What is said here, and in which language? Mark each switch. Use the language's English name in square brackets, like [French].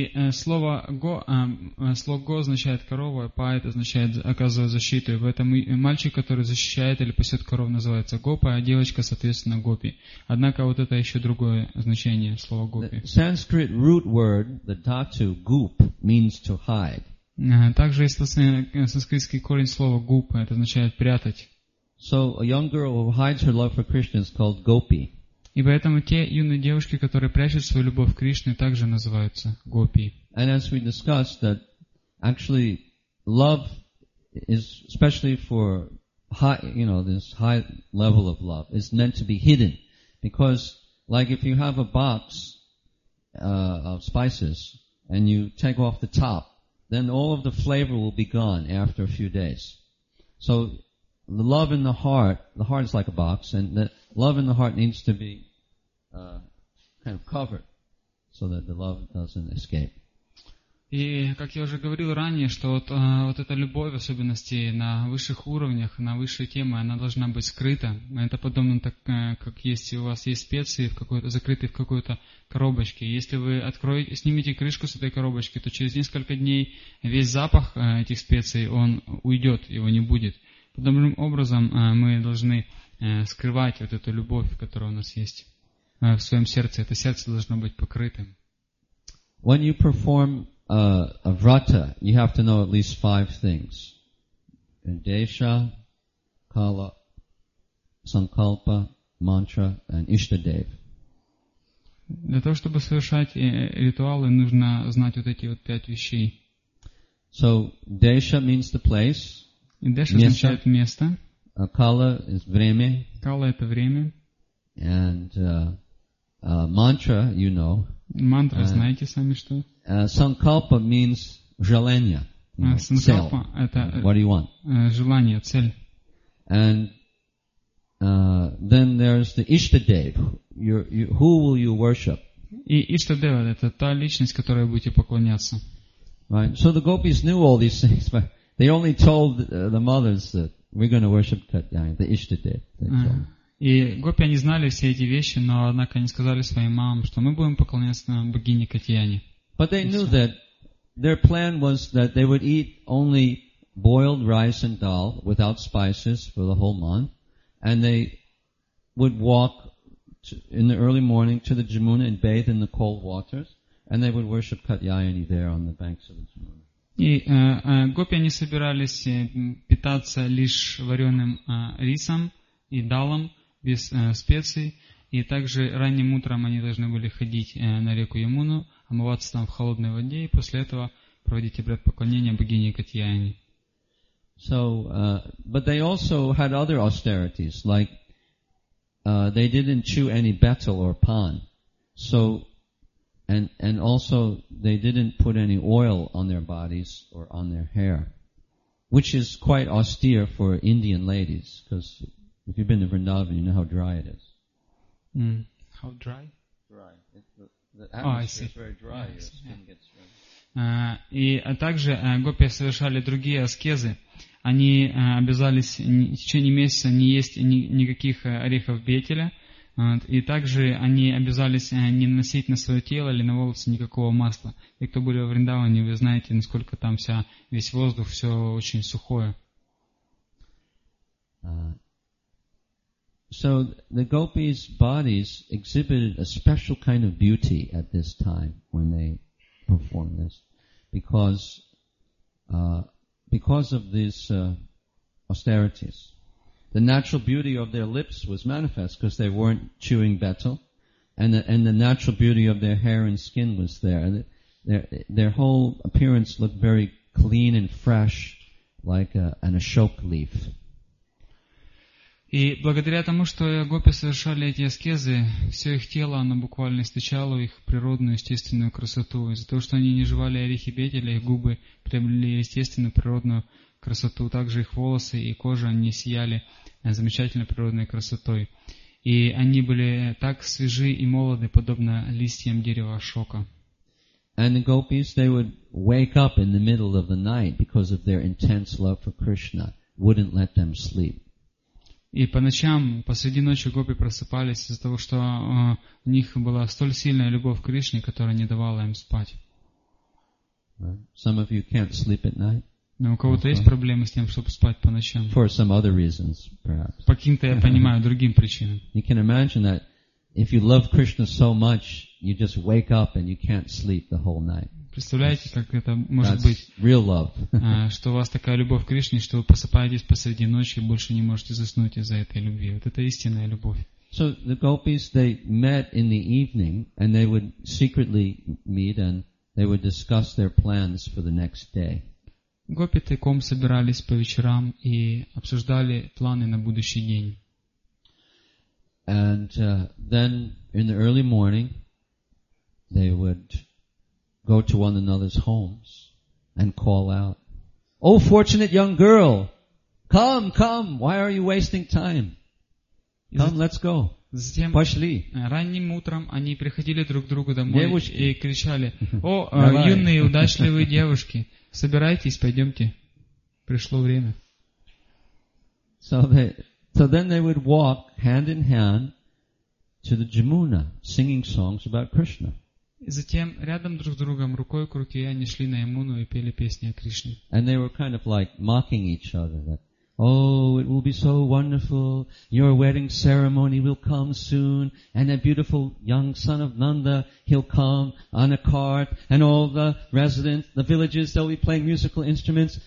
[Russian] Слово go означает корова, а pa означает оказывать защиту. И в этом мальчик, который защищает или пасет коров, называется гопа, а девочка, соответственно, гопи. Однако вот это еще другое значение слова гопи. [English] The Sanskrit root word, the dhatu, gup, means to hide. [Russian] Также есть санскритский корень слова гуп, это означает прятать. [English] So a young girl who hides her love for Krishna is called gopi. [Russian] И поэтому те юные девушки, которые прячут свою любовь к Кришне, также называются гопи. [English] And as we discussed, that actually love is, especially for high, you know, this high level of love, is meant to be hidden. Because, like, if you have a box of spices and you take off the top, then all of the flavor will be gone after a few days. So the love in the heart is like a box, and the love in the heart needs to be kind of covered so that the love doesn't escape. [Russian] И, как я уже говорил ранее, что вот, вот эта любовь, в особенности на высших уровнях, на высшей теме, она должна быть скрыта. Это подобно так, как если у вас есть специи, закрытые в какой-то коробочке. Если вы откроете, снимете крышку с этой коробочки, то через несколько дней весь запах этих специй, он уйдет, его не будет. Подобным образом мы должны скрывать вот эту любовь, которая у нас есть в своем сердце. Это сердце должно быть покрытым. [English] When you perform a vrata, you have to know at least five things. Desha, Kala, Sankalpa, Mantra, and Ishtadev. [Russian] Для того, чтобы совершать ритуалы, нужно знать вот эти вот пять вещей. [English] So, Desha means the place. [Russian] Desha означает место. [English] Kala is [Russian] время. Kala — это время. [English] And Mantra, you know. [Russian] Мантра, знаете сами что? [English] Санкалпа means [Russian] желание. Санкалпа — это [English] what do you want? [Russian] Желание, цель. [English] And then there's the Ishtadev. Who will you worship? [Russian] И Ishtadev — это та личность, которой будете поклоняться. [English] Right. So the gopis knew all these things, but they only told the mothers that we're going to worship the Ishtadev. [Russian] И гопи, они знали все эти вещи, но однако они сказали своим мамам, что мы будем поклоняться на богине Катьяне. [English] But they knew that their plan was that they would eat only boiled rice and dal without spices for the whole month, and they would walk in the early morning to the Jamuna and bathe in the cold waters, and they would worship Katyayani there on the banks of the Jamuna. И гопи, они собирались питаться лишь вареным рисом и далом без специй, и также ранним утром они должны были ходить на реку Ямуну, омываться там в холодной воде, и после этого проводить обряд поклонения богине Катьяйани. So, but they also had other austerities, like they didn't chew any betel or pan. So, and also they didn't put any oil on their bodies or on their hair, which is quite austere for Indian ladies, because if you've been to Vrindavan, you know how dry it is. How dry? Dry. The atmosphere is very dry. Yes. [Russian] И также гопи совершали другие аскезы. Они обязались в течение месяца не есть никаких орехов бетеля. И также они обязались не наносить на свое тело или на волосы никакого масла. И кто были в Вриндаване, вы знаете, насколько там вся весь воздух, все очень сухое. [English] So the gopis' bodies exhibited a special kind of beauty at this time when they performed this, because of these austerities. The natural beauty of their lips was manifest because they weren't chewing betel, and the natural beauty of their hair and skin was there. Their whole appearance looked very clean and fresh, like an ashok leaf. [Russian] И благодаря тому, что гопи совершали эти аскезы, все их тело, оно буквально источало их природную, естественную красоту. Из-за того, что они не жевали орехи бетеля, их губы приобрели естественную, природную красоту. Также их волосы и кожа, они сияли замечательной природной красотой. И они были так свежи и молоды, подобно листьям дерева ашока. [English] And the gopis, they would wake up in the middle of the night because of their intense love for Krishna, wouldn't let them sleep. [Russian] И по ночам, посреди ночи гопи просыпались из-за того, что у них была столь сильная любовь к Кришне, которая не давала им спать. [English] Some of you can't sleep at night. [Russian] Но у кого-то есть проблемы с тем, чтобы спать по ночам? [English] For some other reasons, perhaps. [Russian] По каким-то, я понимаю, другим причинам. [English] You can imagine that if you love Krishna so much, you just wake up and you can't sleep the whole night. [Russian] Представляете, как это может быть, [English] real love. [Russian] Что у вас такая любовь к Кришне, что вы просыпаетесь посреди ночи и больше не можете заснуть из-за этой любви. Вот это истинная любовь. [English] So the gopis, they met in the evening, and they would secretly meet, and they would discuss their plans for the next day. [Russian] Гопи тайком собирались по вечерам и обсуждали планы на будущий день. [English] And then in the early morning, they would go to one another's homes and call out, "Oh, fortunate young girl, come, come! Why are you wasting time? Come, let's go." [Russian] Затем пошли. Ранним утром они приходили друг к другу домой девушки. И кричали: «О, юные удачливые девушки, собирайтесь, пойдемте, пришло время». [English] So then they would walk hand in hand to the Jamuna, singing songs about Krishna. [Russian] Затем рядом друг с другом, рукой к руке, они шли на Ямуну и пели песни о Кришне. [English] And they were kind of like mocking each other that, oh, it will be so wonderful. Your wedding ceremony will come soon, and a beautiful young son of Nanda, he'll come on a cart, and all the residents, the villages, they'll be playing musical instruments.